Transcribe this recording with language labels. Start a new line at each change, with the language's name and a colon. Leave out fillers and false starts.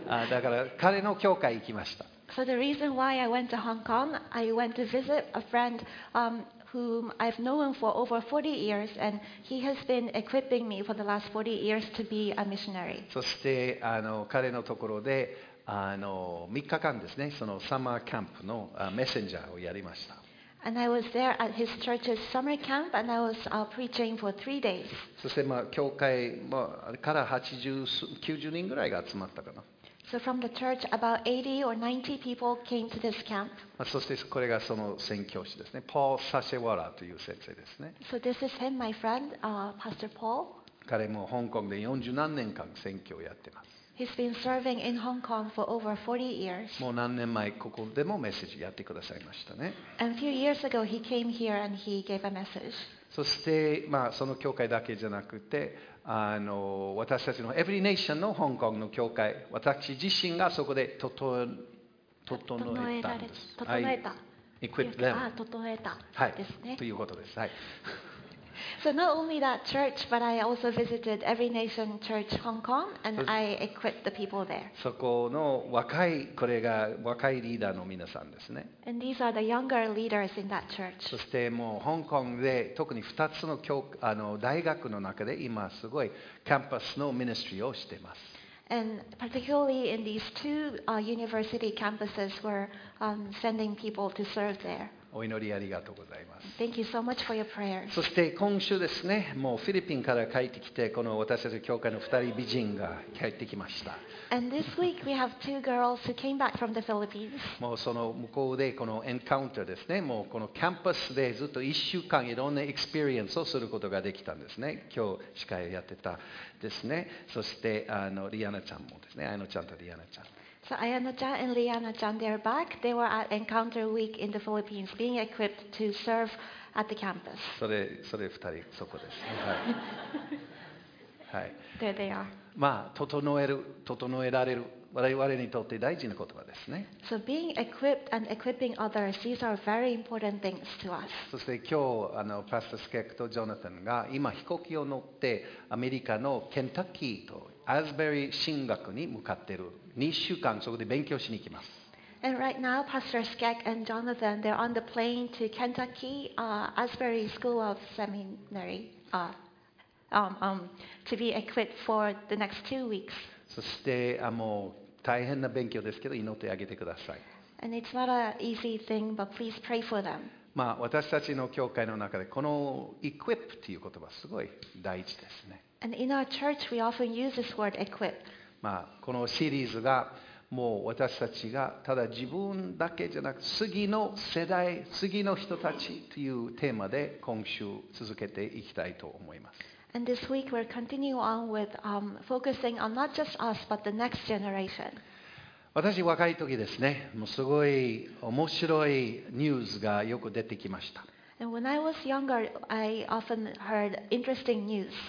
Japanese: だから彼の教会行きました。
English: So the reason why I went to Hong Kong, I went to visit a friend, whom I've known for over 40 years, and he has been equipping me for the last 40 years to be a missionary.
Japanese: そして彼のところで3日間ですね、そのサマーキャンプのメッセンジャーをやりました。
English: And I was there at his church's summer camp, and I was preaching for 3 days.
Japanese: そして教会から90人ぐらいが集まったかな。
English: So from the church, about 80 or 90 people came to this camp.
Japanese: そしてこれがその宣教師ですね、ポール・サシェワラという先生ですね。
English: So this is him, my friend, Pastor Paul.
Japanese: 彼も香港で40何年間宣教をやってます。
English: He's been serving in Hong Kong for over 40 years.
Japanese: もう何年前ここでもメッセージやってくださいましたね。
English: And a few years ago, he came here and he gave a message.
Japanese: そして、その教会だけじゃなくて、私たちの Every Nation の香港の教会、私自身がそこで整えた。
English: Equipped them.
Japanese: 整えた。はい。ですね。ということです。はい。
English: So not only that church, but I also visited Every Nation Church Hong Kong, and I equipped the people there.
Japanese: そこの若い、これが若いリーダーの皆さんですね。
English: And these are the younger leaders in that church.
Japanese: そしてもう香港で特に2つの大学の中で今すごいキャンパスのミニストリーをしてます。
English: And particularly in these two university campuses, we're sending people to serve there.
Japanese: お祈りありがとうございます。
English: Thank you so much for your prayers.
Japanese: そして今週ですね、もうフィリピンから帰ってきて、この私たち教会の2人美人が帰ってきました。
English: And this week we have two girls who came back from the Philippines.
Japanese: もうその向こうでこのエンカウンターですね、もうこのキャンパスでずっと1週間いろんなエクスペリエンスをすることができたんですね。今日司会をやってたですね。そしてリアナちゃんもですね、アイノちゃんとリアナちゃん。
English: So Ayana-chan and Liana-chan, they're back. They were at Encounter Week in the Philippines, being equipped to serve at the campus.
Japanese: それ二人そこです。はい。はい。
English: There they are.
Japanese: 整えられる、我々にとって大事な言葉ですね。
English: So being equipped and equipping others, these are very important things to us.
Japanese: そして今日Pastor Skek とジョナタンが今飛行機を乗ってアメリカのケンタッキーとアズベリー神学に向かっている。 2週間そこで勉強しに行きます。
English: And right now, Pastor Skek and Jonathan, they're on the plane to Kentucky, Asbury School of Seminary, to be equipped for the next 2 weeks.
Japanese: そしてもう大変な勉強ですけど祈ってあげてください。
English: And it's not an easy thing, but please pray for them.
Japanese: まあ私たちの教会の中でこの equip っていう言葉すごい大事ですね。
English: And in our church, we often use this word equip.
Japanese: まあこのシリーズがもう私たちがただ自分だけじゃなく次の世代、次の人たちというテーマで今週続けていきたいと思います。
English: And this week we're continuing on with focusing on not just us but the next generation.
Japanese: 私若い時ですね、もうすごい面白いニュースがよく出てきました。
English: And when I was younger, I often heard interesting news.